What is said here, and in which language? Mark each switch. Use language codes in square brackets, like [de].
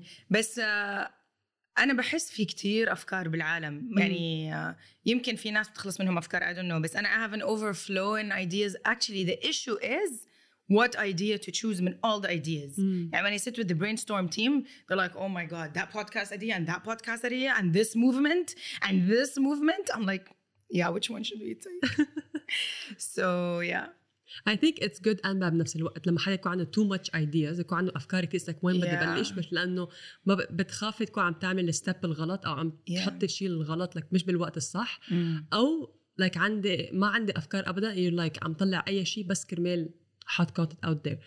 [ar] بس أنا بحس في كتير أفكار بالعالم. يعني يمكن في ناس بتخلص منهم أفكار, [en] I don't know, [ar] بس أنا [en] I have an overflow in ideas. Actually the issue is what idea to choose من all the ideas. يعني when I sit with the brainstorm team, they're like, oh my god, that podcast idea and that podcast idea and this movement and this movement. I'm like, yeah, which one should we take? So yeah, I think it's good and bad [ar] بنفس الوقت. لما حدا يكون عنده [en] too much ideas, [ar] يكون عنده أفكار كيس لك وين بدي بلش, مش لأنه ما بتخاف تكون عم تعمل الستيب الغلط أو عم تحط الشيء الغلط لك مش بالوقت الصح, أو لك عندي ما عندي أفكار أبدا, [en] you're like [ar] عم طلع أي شيء بس كرمال حط [en] content out there.